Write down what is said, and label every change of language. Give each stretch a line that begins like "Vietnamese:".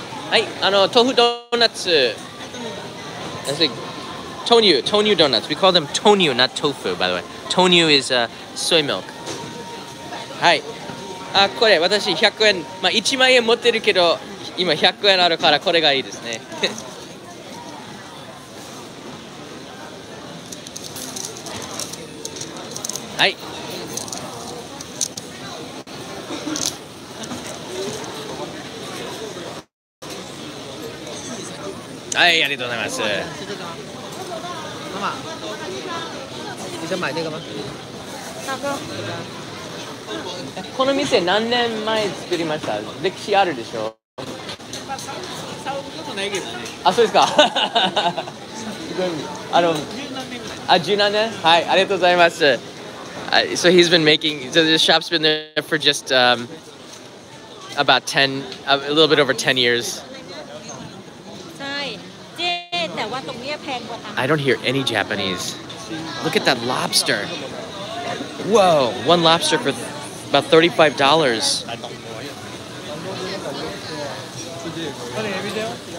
English: Hi, tofu donuts. That's like tonyu donuts. We call them tonyu, not tofu, by the way. Tonyu is soy milk. Hi.
Japanese: これ私100円、まあ1万円持ってるけど今100円あるからこれがいいですね。はい。はい、ありがとうございます。ママ、一緒に買いに行きます。サブ、この店何年前作りました？歴史あるでしょ。サブちょっとないけどね。あ、そうですか。あの、あ、十何年。はい、ありがとうございます。
English: So he's been making, so the shop's been there for just about 10, a little bit over 10 years. I don't hear any Japanese. Look at that lobster. Whoa, one lobster for about $35.